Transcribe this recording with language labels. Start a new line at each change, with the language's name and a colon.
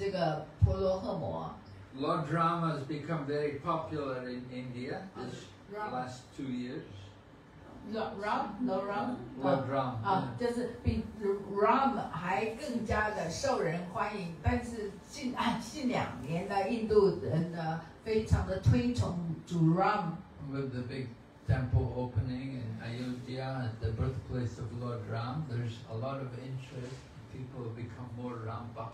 Chinese: 所以昆蒂皇后就叙述的，就是说，Krishna是这么令人喜悦的，胜过于这个婆罗诃摩。
English: Lord Rama has become very popular in India this last 2 years.
Chinese: Lord Ram, 就是比 Ram 还更加的受人欢迎，但是近两年的印度人呢。非常的推崇主 Ram，
English: with the big temple opening in Ayodhya, the birthplace of Lord Ram, there's a lot of interest. People have become more Ram